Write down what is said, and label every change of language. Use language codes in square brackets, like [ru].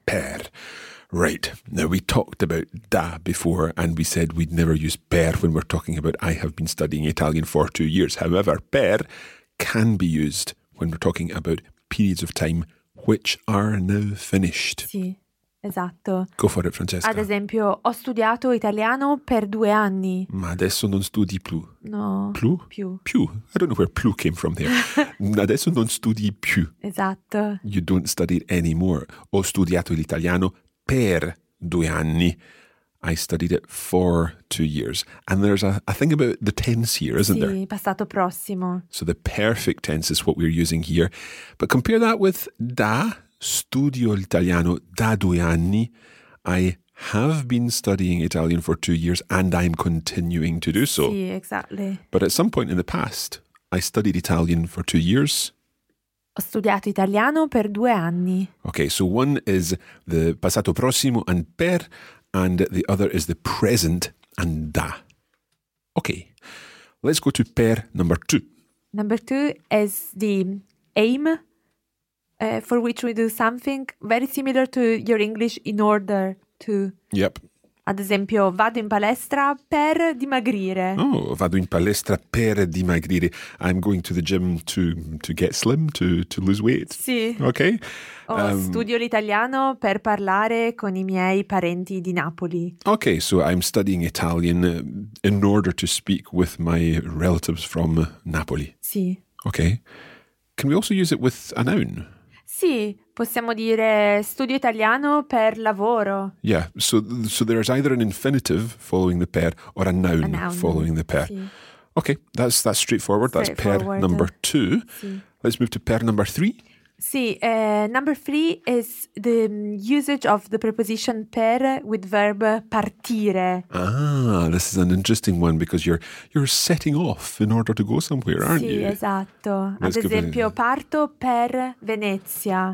[en] Per. Right. Now, we talked about da before and we said we'd never use per when we're talking about I have been studying Italian for 2 years. However, per can be used when we're talking about periods of time which are now finished. [it] Sì, esatto. [en] Go for it, Francesca. [it] Ad esempio, ho studiato italiano per 2 anni. Ma adesso non studi più. No. Più? Più. Più. [en] I don't know where più came from there. [it] Adesso non studi più. Esatto. [en] You don't study it anymore. [it] Ho studiato l'italiano per 2 anni. [en] I studied it for 2 years. And there's a thing about the tense here, isn't there? [it] Sì, passato prossimo. [en] So the perfect tense is what we're using here. But compare that with da, [it] studio l'italiano da 2 anni. [en] I have been studying Italian for 2 years and I'm continuing to do so. Sì, exactly. But at some point in the past, I studied Italian for 2 years. [it] Ho studiato italiano per 2 anni. [en] Okay, so one is the passato prossimo and per, and the other is the present and da. Okay, let's go to per number 2. Number 2 is the aim for which we do something very similar to your English in order to. Yep. [it] Ad esempio, vado in palestra per dimagrire. Oh, vado in palestra per dimagrire. [en] I'm going to the gym to get slim, to lose weight. [it] Sì. [en] Ok. [it] Studio l'italiano per parlare con I miei parenti di Napoli. [en] Ok, so I'm studying Italian in order to speak with my relatives from Napoli. [it] Sì. [en] Ok. Can we also use it with a noun? [it] Sì. Possiamo dire studio italiano per lavoro. [en] Yeah, so there's either an infinitive following the per or a noun following the per. [it] Sì. [en] Okay, that's straightforward. That's per number 2. [it] Sì. [en] Let's move to per number 3. Sì, number 3 is the usage of the preposition per with verb partire. Ah, this is an interesting one because you're setting off in order to go somewhere, aren't [it] sì, [en] you? [it] Sì, esatto. Let's Ad esempio, parto per Venezia.